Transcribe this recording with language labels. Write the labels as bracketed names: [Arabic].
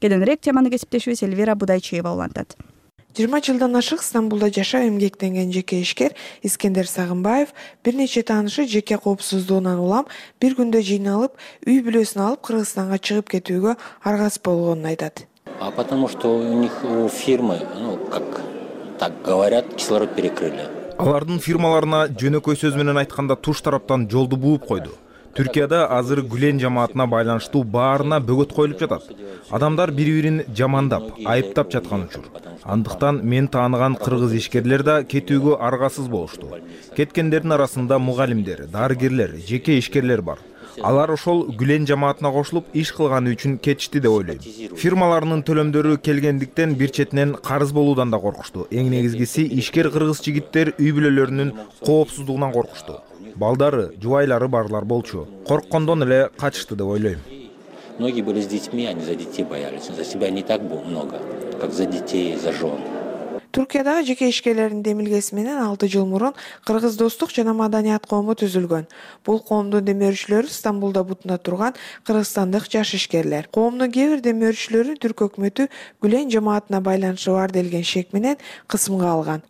[Kyrgyz] Кененирээк теманы кесиптешибиз Эльвира Будайчиева улантат. 20 жылдан ашык Стамбулда жашап эмгектенген жеке ишкер Искендер Сагынбаев бир нече таанышы жеке коопсуздугунан улам бир күндө жыйналып, үй бүлөсүн алып Кыргызстанга чыгып кетүүгө аргасыз болгонун айтат. [Russian] А потому что у них фирмы, как так говорят, кислород перекрыли. [Kyrgyz] Алардын фирмаларына жөнөкөй сөз менен айтканда туш тараптан жолду бууп койду. Түркияда азыр Гүлен жамаатына байланыштуу баарына бөгөт коюлуп жатат. Адамдар бири-бирин жамандап, айыптап жаткан учур. Андыктан мен тааныган кыргыз ишкерлер да кетүүгө аргасыз болушту. Кеткендердин арасында мугалимдер, дарыгерлер, жеке ишкерлер бар. Алар ошол Гүлен жамаатына кошулуп иш кылганы үчүн кетишти деп ойлойм. Фирмаларынын төлөмдөрү келгендиктен бир четинен карыз болуудан да коркушту. Эң негизгиси ишкер кыргыз жигиттер үй бүлөлөрүнүн коопсуздугунан коркушту. Балдары, жубайлары барлар болчу. Корккондон эле качышты деп ойлойм. [Russian] Многие были с детьми, они за детей боялись. За себя не так много, как за детей, за жен. [Kyrgyz] Түркиядагы жеке ишкерлердин демилгеси менен 6 жыл мурун Кыргыз достук жана маданият коому түзүлгөн. Бул коомдун демөөрчүлөрү Стамбулда бутуна турган кыргызстандык жаш ишкерлер. Коомдун кээ бир демөөрчүлөрү түрк өкмөтү Гүлен жамаатына байланышы бар делген шек менен кысымга алган.